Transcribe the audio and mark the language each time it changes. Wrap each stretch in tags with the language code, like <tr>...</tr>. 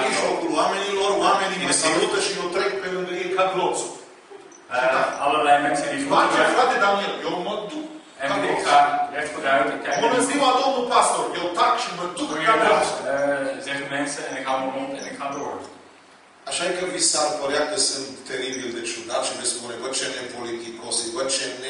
<ro>mijlocul oamenilor, oamenii mă salută și eu trec pe lângă ei ca glosul.</ro> <nl>Allerlei mensen die vroegen.</nl> <ro>Frate Daniel, eu mă duc ca glosul. Bună ziua, domnul pastor, eu tac și mă duc ca glosul.</ro> <nl>Zeg mensen, en ik hou mijn mond en ik ga door.</nl> <ro>Așa e că vi s-ar părea că sunt teribil de ciudat și vei spune, bă, ce nepoliticos, bă, ce</ro>